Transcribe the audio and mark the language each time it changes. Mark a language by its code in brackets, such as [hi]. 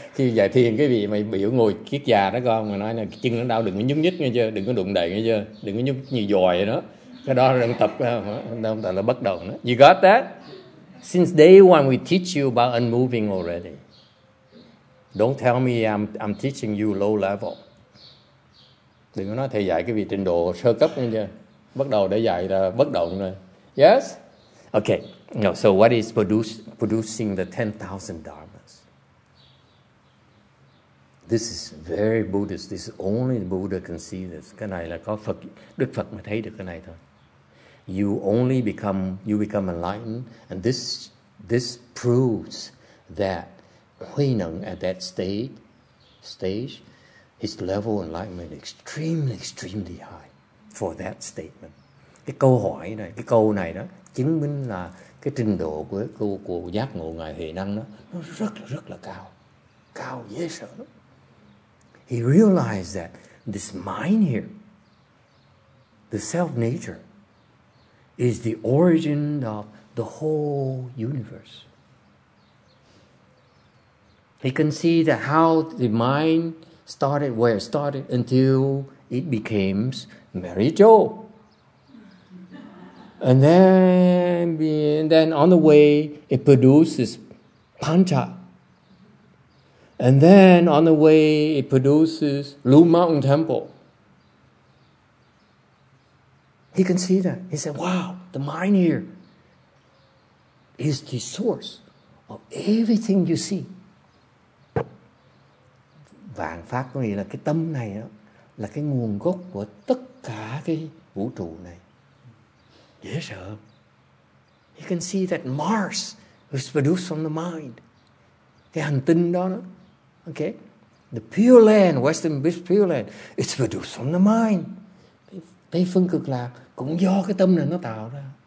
[vi] Khi giải thiền quý vị mà biểu ngồi kiết già đó con, mà nói là chân nó đau đừng có nhúc nhích nghe chưa, đừng có đụng đậy nghe chưa, đừng có nhúc như dòi đó. Cái đó là tập, đang tập là bất động đó. [en] You got that? Since day one, we teach you about unmoving already. Don't tell me I'm teaching you low level. [vi] Đừng có nói thầy dạy cái vị trình độ sơ cấp nha chưa. Bắt đầu để dạy là bất động rồi. [en] Yes? Okay. No, so what is producing the 10,000 dharmas? This is very Buddhist. This is only the Buddha can see this. [vi] Cái này là có Phật, Đức Phật mà thấy được cái này thôi. [en] You become enlightened, and this proves that Huineng at that stage, his level of enlightenment extremely, extremely high for that statement. [vi] Cái câu hỏi này, cái câu này đó chứng minh là cái trình độ của giác ngộ ngài Huệ Năng đó nó rất là cao dễ sợ. [en] He realized that this mind here, the self nature, is the origin of the whole universe. He can see that how the mind started, where it started, until it became Mary Jo. And then on the way, it produces Pancha. And then on the way, it produces Lu Mountain Temple. He can see that. He said, wow, the mind here is the source of everything you see. [vi] vạn pháp, có nghĩa là cái tâm này đó, là cái nguồn gốc của tất cả cái vũ trụ này. Dễ sợ. [en] You can see that Mars is produced from the mind. [vi] Cái hành tinh đó, đó. [en] Okay. The Pure Land, Western Pure Land, it's produced from the mind. [vi] Tây phương cực lạc cũng do cái tâm này nó tạo ra.